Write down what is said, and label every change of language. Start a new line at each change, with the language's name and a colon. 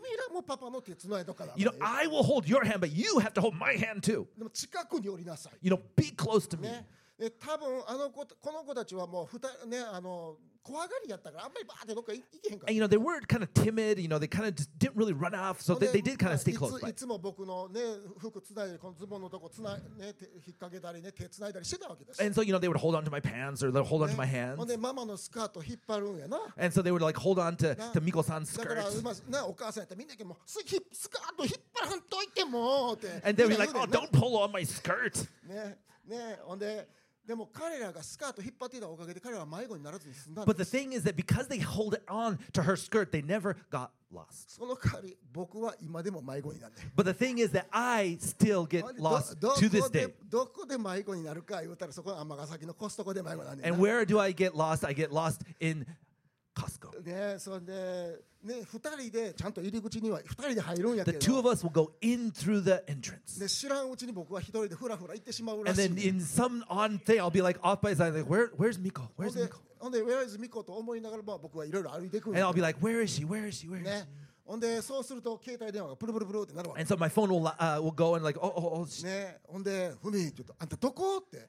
English: You know, I will hold your hand, but you have to hold my hand too. You know, be close to me.
Japanese: で多分あの子この子たちはもう二ね怖がりやったからあんまりバーってどっか行けへんから。
English: And, you know, they were kind of timid. You know, they kind of didn't really run off, so they did kind of stay close.
Japanese: いつも僕のね服つないでこのズボンのとこつないね引っ掛けたりね手つないだりしてたわけです。
English: And so you know they would hold on to my pants or they'd hold on to my hands.
Japanese: でママのスカート引っ張るんやな。
English: And so they would like hold on to Miko-san's skirt.
Japanese: だからまなお母さんやったらみんなけもスカート引っ張らんといてもって。
English: And they'd be like, oh, don't pull on my skirt.
Japanese: ねほんで。でも彼らがスカート引っ張っていたおかげで彼らは迷子にならずに済んだんです。
English: But the thing is that because they held on to her skirt, they never got lost.
Japanese: その代わり僕は今でも迷子になって。
English: But the thing is that I still get lost to this day.
Japanese: どこで迷子になるか言ったらそこは尼崎のコストコで迷子になる。
English: And where do I get lost? I get lost in Costco.
Japanese: ね、そんで。ね、二人でちゃんと入り口には二人で入るんやけど。
English: The two of us will go in through the entrance.
Japanese: で、知らんうちに僕は一人でフラフラ行ってしまうらしい。
English: And then in some odd thing, I'll be like off by side, like where's Miko? Where's Miko?
Japanese: ほんで、
English: where is Miko?
Japanese: と思いながら、まあ僕はいろいろ歩いていくん
English: や。And I'll be like, where is she? Where is she? Where is she?
Japanese: ね。ほんで、そうすると携帯電話がプルプルプルってなるわ。
English: And so my phone will go and like, oh.
Japanese: ね、ほんで、ふみ、ちょっとあんたどこって。